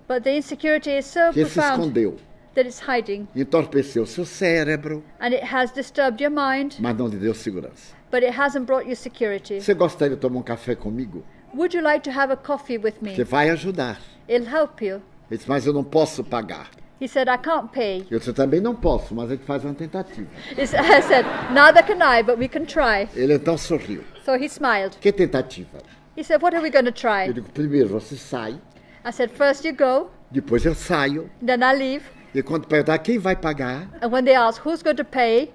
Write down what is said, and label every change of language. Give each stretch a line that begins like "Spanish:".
English: But the insecurity is so
Portuguese: que
English: profound.
Portuguese: Se escondeu.
English: That it's hiding.
Portuguese: Entorpeceu seu cérebro.
English: And it has disturbed your mind.
Portuguese: Mas não lhe deu segurança.
English: But it hasn't brought you security.
Portuguese: Você gostaria de tomar café comigo?
English: Would you like to have a coffee with me?
Portuguese: Que vai ajudar.
English: It'll help you.
Portuguese: Ele disse, mas eu não posso pagar.
English: He said, I can't pay.
Portuguese: Eu disse, também não posso, mas a gente faz uma tentativa.
English: I said, neither can I, but we can try.
Portuguese: Ele então sorriu.
English: So he smiled.
Portuguese: Que tentativa?
English: He said, what are we going to try?
Portuguese: Eu digo, primeiro você sai.
English: I said, first you go.
Portuguese: Depois eu saio.
English: Then I leave.
Portuguese: E quando perguntar quem vai pagar?
English: And when they ask who's going to pay?